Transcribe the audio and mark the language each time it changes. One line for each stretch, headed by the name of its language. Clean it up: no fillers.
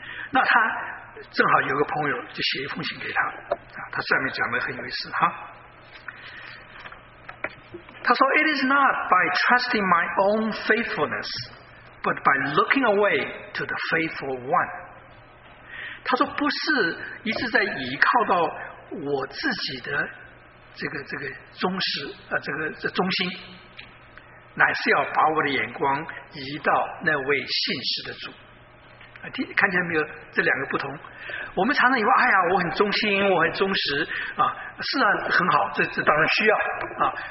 Chinese: 那他正好有个朋友就写一封信给他啊，他上面讲的很有意思哈。他说
English: It is not by trusting my own faithfulness but by looking away to the faithful one.
Chinese: 他说不是一直在依靠到我自己的这个忠实这忠心，乃是要把我的眼光移到那位信实的主。看见没有，这两个不同。我们常常以为哎呀我很忠心我很忠实啊，是啊很好，这当然需要啊。